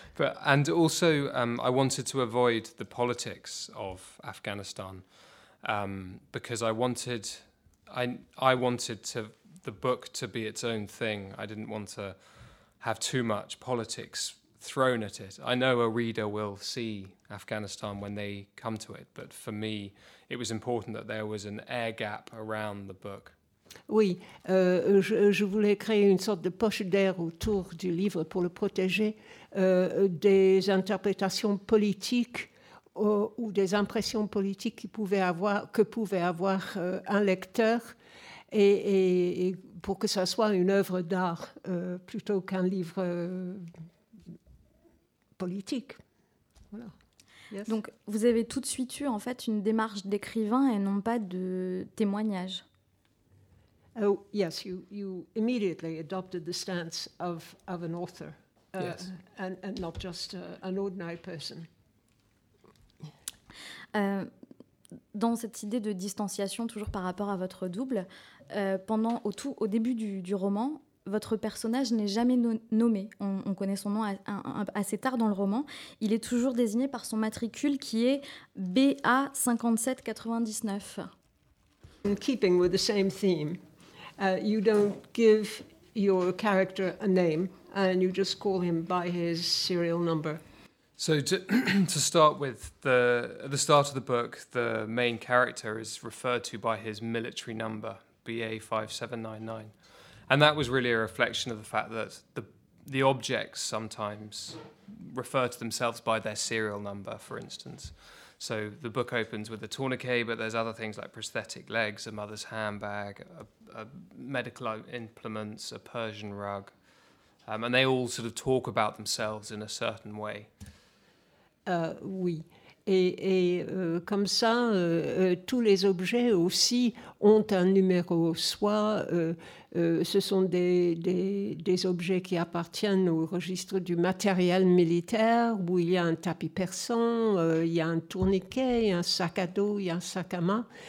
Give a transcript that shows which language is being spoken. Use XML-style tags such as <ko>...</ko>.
<en>But and also, I wanted to avoid the politics of Afghanistan because I wanted to the book to be its own thing. I didn't want to have too much politics thrown at it. I know a reader will see Afghanistan when they come to it, but for me, it was important that there was an air gap around the book.</en> <fr>Oui, je voulais créer une sorte de poche d'air autour du livre pour le protéger des interprétations politiques ou des impressions politiques que pouvait avoir un lecteur et pour que ça soit une œuvre d'art plutôt qu'un livre politique. Voilà. Yes. Donc, vous avez tout de suite eu en fait une démarche d'écrivain et non pas de témoignage.</fr> <en>Oh, yes, you immediately adopted the stance of an author, yes. and not just an ordinary person.</en> <fr>Dans cette idée de distanciation, toujours par rapport à votre double, au début du roman, votre personnage n'est jamais nommé. On connaît son nom assez tard dans le roman. Il est toujours désigné par son matricule qui est BA5799.</fr> <en>In keeping with the same theme, you don't give your character a name and you just call him by his serial number. So to start with, at the start of the book, the main character is referred to by his military number, BA5799. And that was really a reflection of the fact that the objects sometimes refer to themselves by their serial number, for instance. So the book opens with a tourniquet, but there's other things like prosthetic legs, a mother's handbag, a medical implements, a Persian rug. And they all sort of talk about themselves in a certain way.</en> <fr>Oui. Et comme ça, tous les objets aussi ont un numéro. Soit ce sont des objets qui appartiennent au registre du matériel militaire, où il y a un tapis persan, il y a un tourniquet, un sac à dos, il y a un sac à main.</fr>